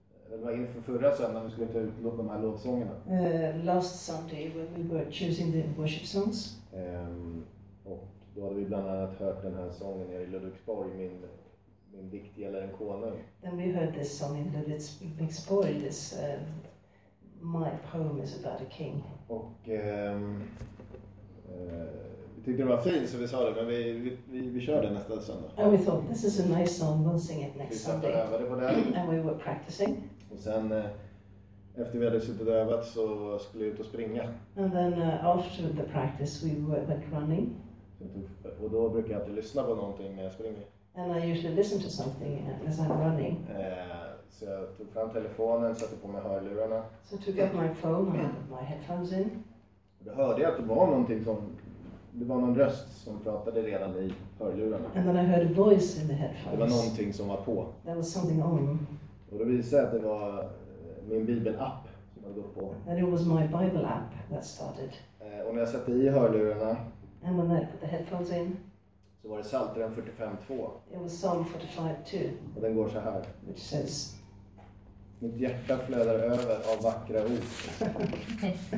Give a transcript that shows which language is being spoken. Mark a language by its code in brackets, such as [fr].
[sv] Det var inför förra söndagen vi skulle ta ut de här lovsångerna. [en] Last Sunday when we were choosing the worship songs. [sv] Och då hade vi bland annat hört den här sången i Ludvigsborg, min diktgällare en konung. [en] Then we heard this song in Ludvigsborg, this my poem is about a king. [sv] Och vi tyckte det var fint så vi sa det, men vi kör det nästa söndag. [en] And we thought this is a nice song, we'll sing it next Sunday. [sv] Vi satt och övade på det. [en] And we were practicing. [sv] Och sen efter vi hade suttit och övat så skulle jag ut och springa. [en] And then after the practice we went running. [sv] Och då brukar jag alltid lyssna på någonting när jag springer. [en] And I usually listen to something as I'm running. [sv] Så jag tog fram telefonen, satte på mig hörlurarna. [en] So I took out my phone and my headphones in. [sv] Och då hörde jag att det var någonting som det var någon röst som pratade redan i hörlurarna. [en] And then I heard a voice in the headphones. [sv] Det var någonting som var på. [en] There was something on. [sv] Och då visade jag att det var min bibelapp som hade gått på. [en] And it was my Bible app that started. [sv] Och när jag satte i hörlurarna. [en] And when I put the headphones in. [sv] Så var det Psaltaren 45:2. [en] It was Psalm 45:2. [sv] Och den går så här. [en] Which says. [sv] Mitt hjärta flödar över av vackra ord.